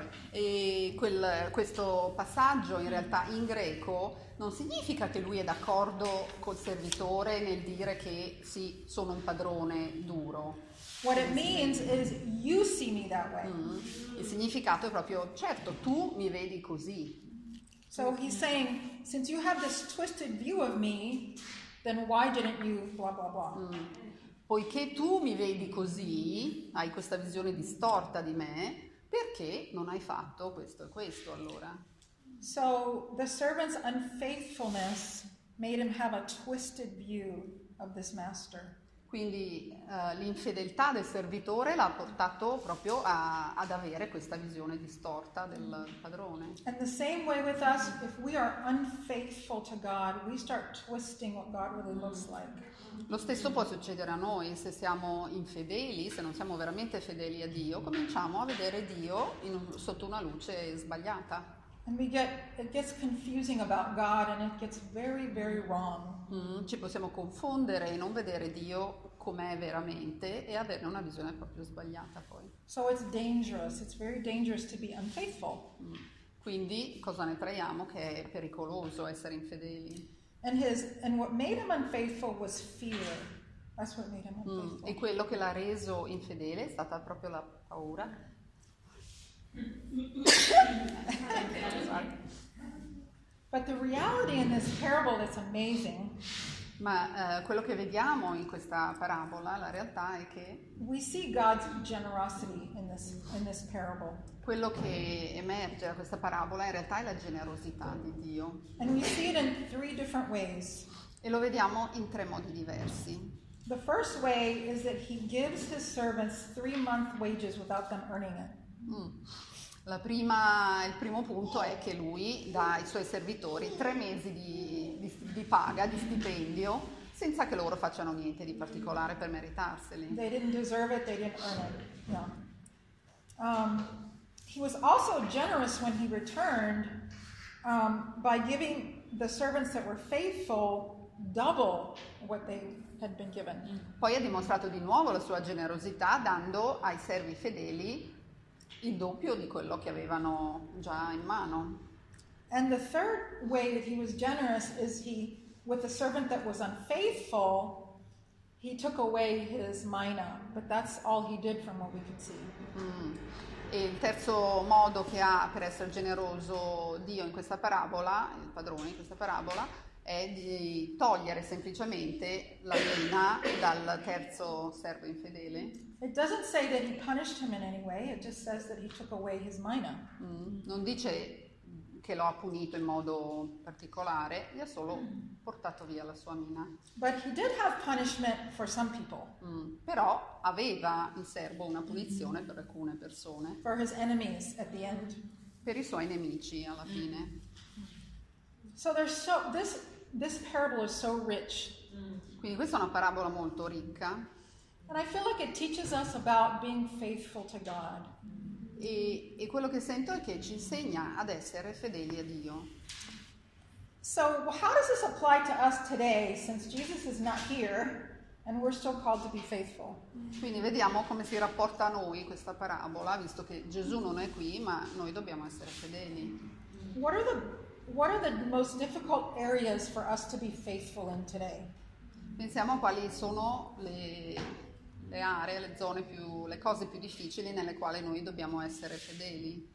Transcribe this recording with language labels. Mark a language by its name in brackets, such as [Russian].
[Italian] E questo passaggio in realtà in greco non significa che lui è d'accordo col servitore nel dire che sì, sono un padrone duro. [English] What it means is you see me that way. [Italian] Il significato è proprio certo, tu mi vedi così. [English] So he's saying, since you have this twisted view of me, then why didn't you blah blah blah? [Italian] Poiché tu mi vedi così, hai questa visione distorta di me, perché non hai fatto questo e questo allora? [English] So the servant's unfaithfulness made him have a twisted view of this master. [Italian] Quindi l'infedeltà del servitore l'ha portato proprio ad avere questa visione distorta del padrone. [English] And the same way with us, if we are unfaithful to God, we start twisting what God really looks like. [Italian] Lo stesso può succedere a noi se siamo infedeli, se non siamo veramente fedeli a Dio, cominciamo a vedere Dio sotto una luce sbagliata. [English] And it gets confusing about God and it gets very, very wrong. [Italian] Ci possiamo confondere e non vedere Dio com'è veramente e averne una visione proprio sbagliata poi. [English] So it's dangerous, it's very dangerous to be unfaithful. [Italian] Quindi cosa ne traiamo? Che è pericoloso essere infedeli. [English] And what made him unfaithful was fear. That's what made him unfaithful. [Italian] E quello che l'ha reso infedele è stata proprio la paura. [English] But the reality in this parable is amazing. [Italian] Ma quello che vediamo in questa parabola, la realtà è che [English] we see God's generosity in this parable. [Italian] Quello che emerge da questa parabola in realtà è la generosità di Dio. [English] And we see it in three different ways. [Italian] E lo vediamo in tre modi diversi. [English] The first way is that he gives his servants 3 month wages without them earning it. [Italian] Il primo punto è che lui dà ai suoi servitori 3 mesi di paga, di stipendio, senza che loro facciano niente di particolare per meritarseli. [English] They didn't deserve it, they didn't earn it. No. He was also generous when he returned by giving the servants that were faithful double what they had been given. [Italian] Poi ha dimostrato di nuovo la sua generosità dando ai servi fedeli il doppio di quello che avevano già in mano. [English] And the third way that he was generous is he, with the servant that was unfaithful, he took away his mina, but that's all he did from what we could see. Mm. [Italian] E il terzo modo che ha per essere generoso Dio in questa parabola, il padrone in questa parabola, è di togliere semplicemente la mina dal terzo servo infedele. [English] It doesn't say that he punished him in any way, it just says that he took away his mina. Mm. [Italian] Non dice che lo ha punito in modo particolare, gli ha solo portato via la sua mina. [English] But he did have punishment for some people. Mm. [Italian] Però aveva in serbo una punizione per alcune persone. [English] For his enemies at the end. [Italian] Per i suoi nemici alla fine. [English] So there's so this parable is so rich. [Italian] Quindi questa è una parabola molto ricca. [English] And I feel like it teaches us about being faithful to God. [Italian] E quello che sento è che ci insegna ad essere fedeli a Dio. [English] So how does this apply to us today, since Jesus is not here and we're still called to be faithful? [Italian] Quindi vediamo come si rapporta a noi questa parabola, visto che Gesù non è qui, ma noi dobbiamo essere fedeli. [English] What are the most difficult areas for us to be faithful in today? [Italian] Pensiamo a quali sono le aree, le zone più, le cose più difficili nelle quali noi dobbiamo essere fedeli.